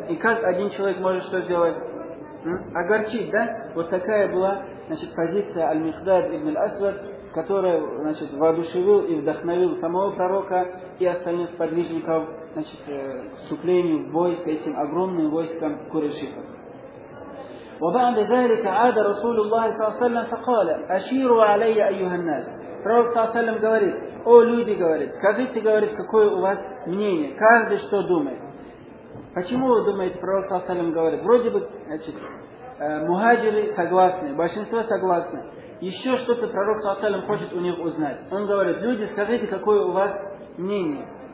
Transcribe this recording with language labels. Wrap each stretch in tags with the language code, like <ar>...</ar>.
<ru>И как один человек может что сделать? Огорчить, да? Вот такая была, значит, позиция Аль-Мигдад ибн Аль-Асвад, которая, значит, воодушевил и вдохновил самого пророка и остальных сподвижников, значит, к вступлению в бой с этим огромным войском курайшитов.</ru> <ar>وبعد ذلك عاد رسول الله صلى الله عليه وسلم فقال أشيروا علي أيها الناس.</ar> <ru>Пророк саллаллаху говорит, о люди, говорит, скажите, говорит, какое у вас мнение, каждый что думает. Почему вы думаете, пророк саллаллаху говорит, вроде бы, значит, мухаджиры согласны, большинство согласны. Еще что-то пророк саллаллаху хочет у них узнать. Он говорит, люди, скажите, какое у вас мнение.</ru>